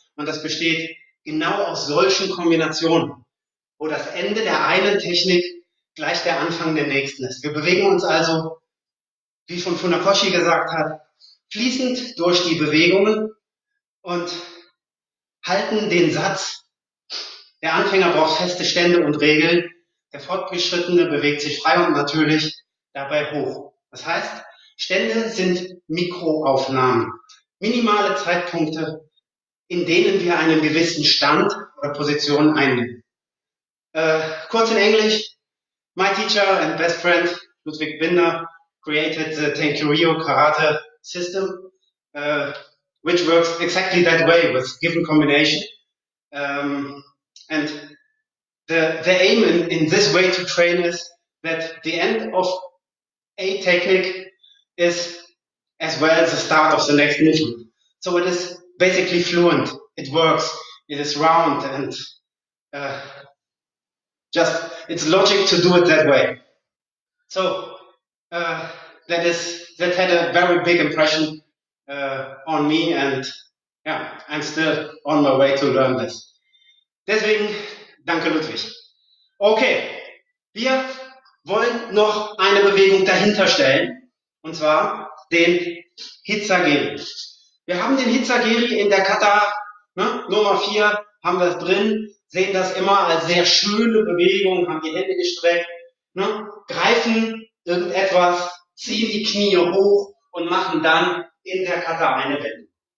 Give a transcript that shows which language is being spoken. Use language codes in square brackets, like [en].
[de] Und das besteht genau aus solchen Kombinationen, wo das Ende der einen Technik gleich der Anfang der nächsten ist. Wir bewegen uns also, wie schon Funakoshi gesagt hat, fließend durch die Bewegungen und halten den Satz, der Anfänger braucht feste Stände und Regeln, der Fortgeschrittene bewegt sich frei und natürlich dabei hoch. Das heißt, Stände sind Mikroaufnahmen, minimale Zeitpunkte, in denen wir einen gewissen Stand oder Position einnehmen. Kurz in Englisch, [en] my teacher and best friend Ludwig Binder created the Tenchu-Ryu Karate System, which works exactly that way with given combination. And the aim in this way to train is that the end of a technique is as well as the start of the next movement. So it is basically fluent, it works, it is round, and just it's logic to do it that way. So that had a very big impression on me, and yeah, I'm still on my way to learn this. [de] Deswegen, danke Ludwig. Okay, wir wollen noch eine Bewegung dahinter stellen, und zwar den Hitsageri. Wir haben den Hitsageri in der Kata, ne, Nummer 4, haben wir es drin, sehen das immer als sehr schöne Bewegung, haben die Hände gestreckt, ne, greifen irgendetwas, ziehen die Knie hoch und machen dann in der Kata eine Wendung.